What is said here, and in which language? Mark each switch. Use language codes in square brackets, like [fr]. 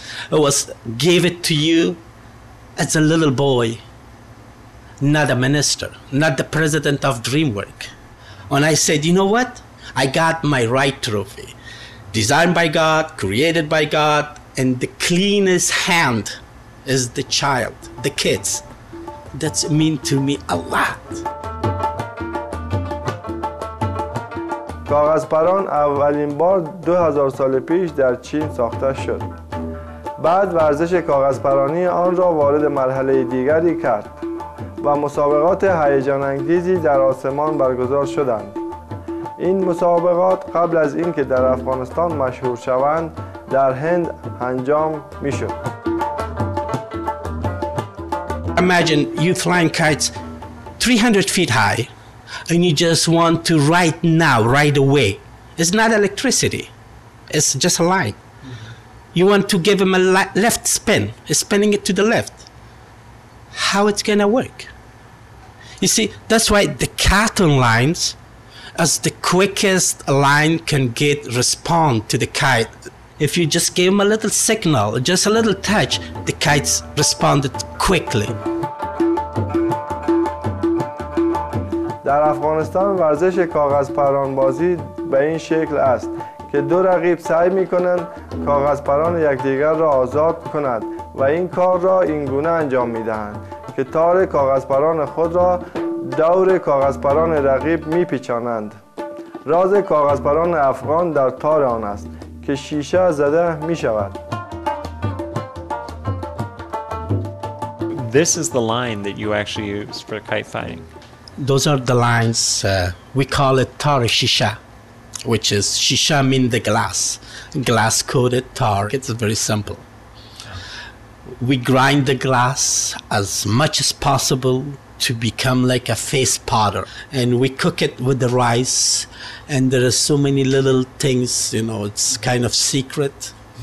[en] It was gave it to you as a little boy, not a minister, not the president of DreamWorks. And I said, you know what? I got my right trophy. Designed by God, created by God, and the cleanest hand is the child, the kids. That's mean to me a lot. [fa] کاغذپران اولین بار 2000 سال پیش در چین ساخته شد. بعد ورزش کاغذپرانی آن را وارد مرحله دیگری کرد و مسابقات هیجان انگیزی در آسمان برگزار شدند. این مسابقات قبل از اینکه در افغانستان مشهور شوند در هند انجام می شد. [en] Imagine you flying kites 300 feet high and you just want to right now, right away. It's not electricity, it's just a light. You want to give him a left spin, spinning it to the left. How it's gonna work? You see, that's why the cotton lines as the quickest line can get respond to the kite. If you just gave him a little signal, just a little touch, the kites responded quickly. [fa] در افغانستان ورزش کاغذ پران بازی به این شکل است که دو رقیب سعی می کنند کاغذ پران یکدیگر را آزاد کنند و این کار را این گونه انجام می دهند که تار کاغذ پران خود را دور کاغذ پران رقیب می پیچانند. راز کاغذ پران افغان در تار آن است که شیشه زده می شود. [en] This is the line that you actually use for kite fighting. Those are the lines, we call it tar shisha, which is shisha mean the glass, glass coated tar. It's very simple. We grind the glass as much as possible to become like a face powder, and we cook it with the rice, and there are so many little things, you know, it's kind of secret.